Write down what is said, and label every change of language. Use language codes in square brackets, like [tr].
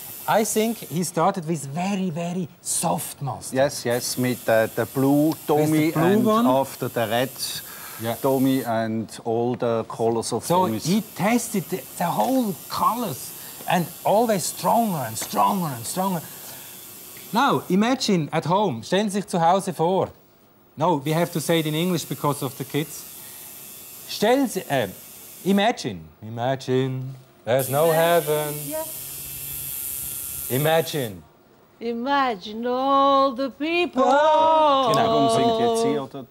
[en] I think he started with very, very soft mustard. Yes, [de] mit [en] the blue Tommy and after the red Tommy and all the colors of Tommy. So he tested the whole colors and always stronger and stronger and stronger. Now, imagine at home, [de] stellen Sie sich zu Hause vor. [en] No, we have to say it in English because of the kids. Imagine, there's no heaven. Imagine all the people. [de] Genau, warum singt jetzt hier?